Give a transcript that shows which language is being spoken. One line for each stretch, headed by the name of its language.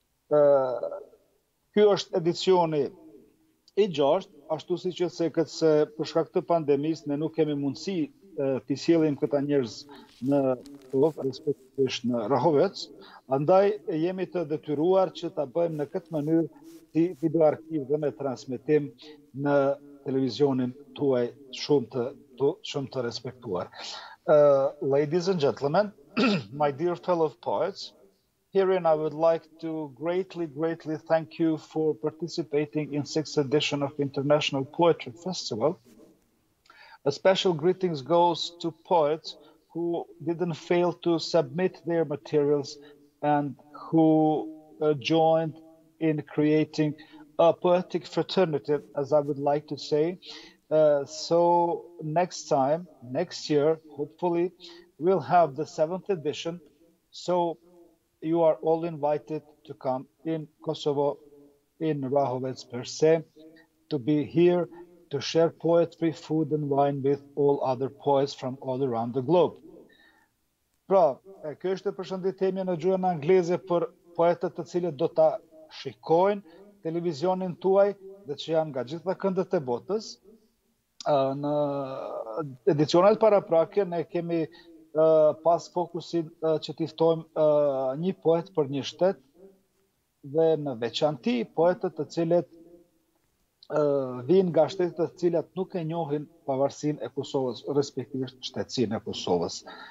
Albanian: Ky është edicioni i 6, ashtu si që se këtë se përshka këtë pandemis, ne nuk kemi mundësi të sjellim këta njerëz në Kosovë, respektivisht në Rahovec, andaj jemi të detyruar që ta bëjmë në këtë mënyrë si video arkiv dhe me transmitim në televizionin tuaj shumë të respektuar.
English: Ladies and gentlemen, my dear fellow poets, herein I would like to greatly thank you for participating in 6th edition of International Poetry Festival. A special greetings goes to poets who didn't fail to submit their materials and who joined in creating a poetic fraternity, as I would like to say. So next time, next year, hopefully, we'll have the 7th edition. So you are all invited to come in Kosovo, in Rahovec per se, to be here to share poetry, food and wine with all other poets from all around the globe.
Albanian: Pra, kjo është përshënditemi në gjuhën angleze për poetët të cilët do ta shikojnë televizionin tuaj dhe që janë nga gjitha këndët e botës. Në edicionet paraprake ne kemi pas fokusin që t'i ftojmë një poet për një shtet dhe në veçanti poetët të cilët vinë nga shtetet të cilat nuk e njohin pavarësinë e Kosovës, respektivisht shtetësinë e Kosovës.